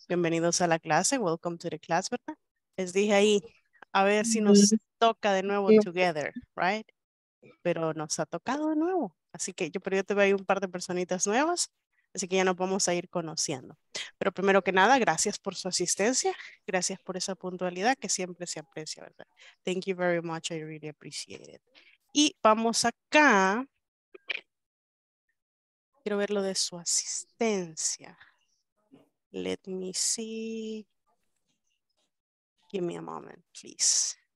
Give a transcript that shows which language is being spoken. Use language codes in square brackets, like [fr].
[es] Bienvenidos a la clase. [en] Welcome to the class, [es] ¿verdad? Les dije ahí, a ver si nos toca de nuevo [en] together, right? [es] Pero nos ha tocado de nuevo. Así que yo, pero yo te veo ahí un par de personitas nuevas, así que ya nos vamos a ir conociendo. Pero primero que nada, gracias por su asistencia, gracias por esa puntualidad que siempre se aprecia, ¿verdad? [en] Thank you very much, I really appreciate it. [es] Y vamos acá, quiero ver lo de su asistencia. [en] Let me see. Give me a moment, please.